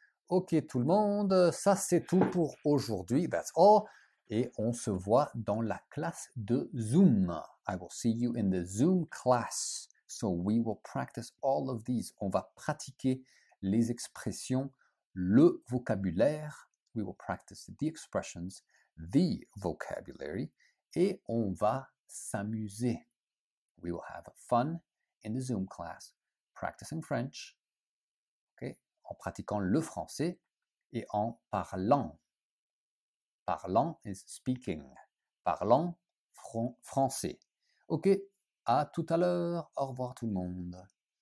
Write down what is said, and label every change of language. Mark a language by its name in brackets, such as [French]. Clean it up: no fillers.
[French] OK, tout le monde, ça c'est tout pour aujourd'hui. [English] That's all. [French] Et on se voit dans la classe de Zoom. [English] I will see you in the Zoom class. So we will practice all of these. [French] On va pratiquer les expressions, le vocabulaire. [English] We will practice the expressions, the vocabulary. [French] Et on va s'amuser. [English] We will have fun in the Zoom class, practicing French. [French] Okay, en pratiquant le français et en parlant. Parlant [English] is speaking. [French] Parlant français. OK, à tout à l'heure. Au revoir tout le monde.